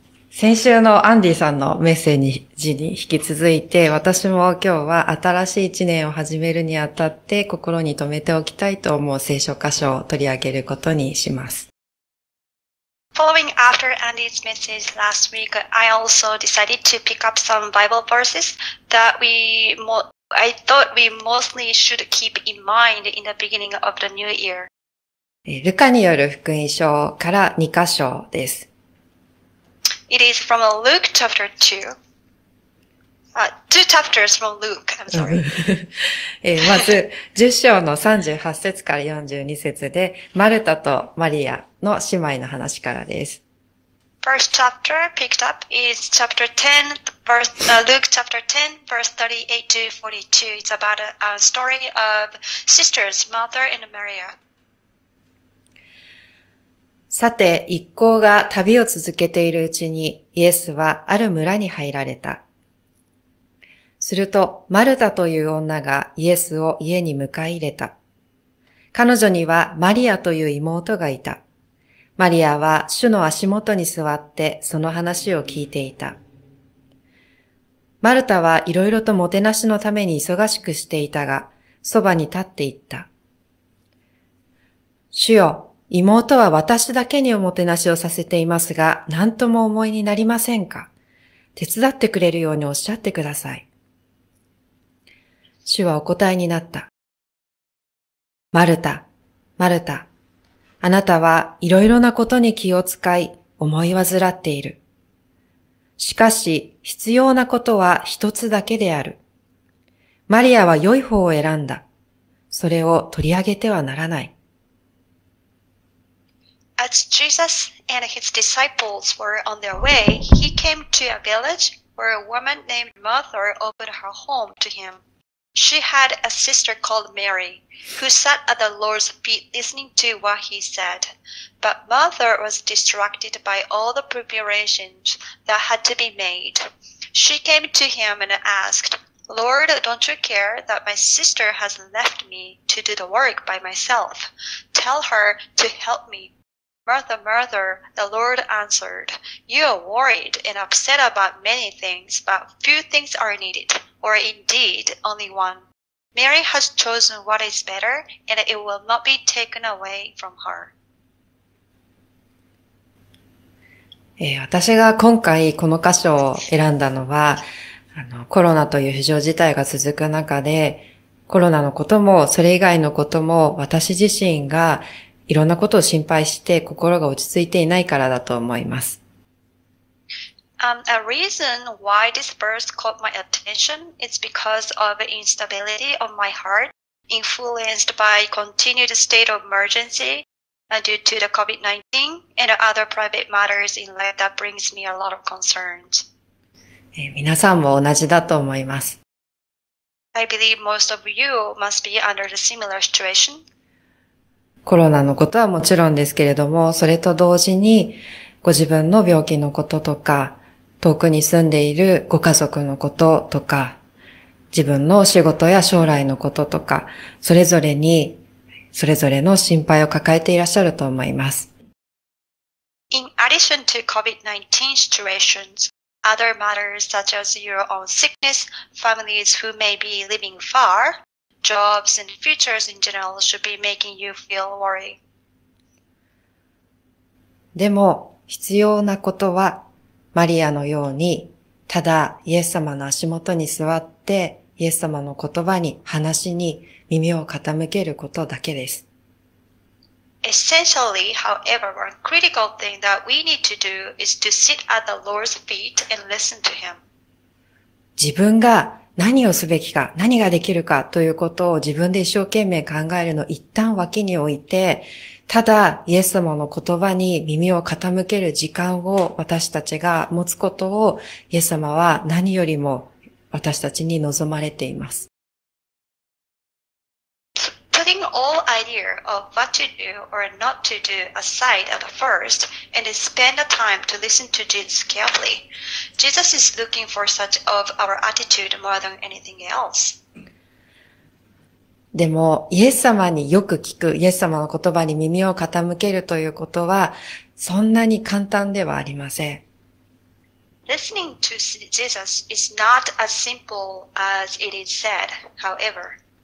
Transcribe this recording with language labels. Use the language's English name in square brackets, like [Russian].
[Japanese] 先週のアンディさんのメッセージに引き続いて、私も今日は新しい一年を始めるにあたって心に留めておきたいと思う聖書箇所を取り上げることにします。 [English] Following after Andy's message last week, I also decided to pick up some Bible verses that we mo I thought we mostly should keep in mind in the beginning of the new year. [Japanese] ルカによる福音書から2箇所です。 [English] It is from Luke chapter 2 chapters from Luke, I'm sorry. [Japanese] まず、10章の38節から42節で、マルタとマリアの姉妹の話からです。 [English] First chapter picked up is chapter 10, Luke chapter 10, verse 38 to 42. It's about a story of sisters, Martha and Maria. [Japanese] さて、一行が旅を続けているうちに、イエスはある村に入られた。すると、マルタという女がイエスを家に迎え入れた。彼女にはマリアという妹がいた。マリアは主の足元に座ってその話を聞いていた。マルタはいろいろともてなしのために忙しくしていたが、そばに立っていった。主よ、妹は私だけにおもてなしをさせていますが、何とも思いになりませんか。手伝ってくれるようにおっしゃってください。主はお答えになった。マルタ、マルタ。あなたはいろいろなことに気を使い、思い煩っている。しかし、必要なことは一つだけである。マリアは良い方を選んだ。それを取り上げてはならない。 [English] as Jesus and his disciples were on their way, he came to a village where a woman named Martha opened her home to him. She had a sister called Mary, who sat at the Lord's feet listening to what he said. But Martha was distracted by all the preparations that had to be made. She came to him and asked, Lord, don't you care that my sister has left me to do the work by myself? Tell her to help me. Martha, Martha, the Lord answered, you are worried and upset about many things, but few things are needed, or indeed only one. Mary has chosen what is better, and it will not be taken away from her. [Japanese] 私が今回この箇所を選んだのは、コロナという非常事態が続く中で、コロナのことも、それ以外のことも、私自身がいろんなことを心配して心が落ち着いていないからだと思います。 [English] A reason why this verse caught my attention is because of instability of my heart, influenced by continued state of emergency due to the COVID-19 and other private matters in life that brings me a lot of concerns. [Japanese] 皆さんも同じだと思います。 [English] I believe most of you must be under the similar situation. [Japanese] コロナのことはもちろんですけれども、それと同時に、ご自分の病気のこととか、遠くに住んでいるご家族のこととか、自分の仕事や将来のこととか、それぞれに、それぞれの心配を抱えていらっしゃると思います。 [English] In addition to COVID-19 situations, other matters such as your own sickness, families who may be living far,Jobs and futures in general should be making you feel worried. [Japanese] でも必要なことはマリアのようにただイエス様の足元に座ってイエス様の言葉に話に耳を傾けることだけです。 [English] Essentially, however, one critical thing that we need to do is to sit at the Lord's feet and listen to Him. [Japanese] 自分が何をすべきか、何ができるかということを自分で一生懸命考えるのを一旦脇に置いて、ただイエス様の言葉に耳を傾ける時間を私たちが持つことをイエス様は何よりも私たちに望まれています。 [English] Putting all idea of what to do or not to do aside at first and spend the time to listen to Jesus carefully. Jesus is looking for such of our attitude more than anything else. [Japanese] でも、イエス様によく聞く、イエス様の言葉に耳を傾けるということは、そんなに簡単ではありません。 [English] Listening to Jesus is not as simple as it is said, however.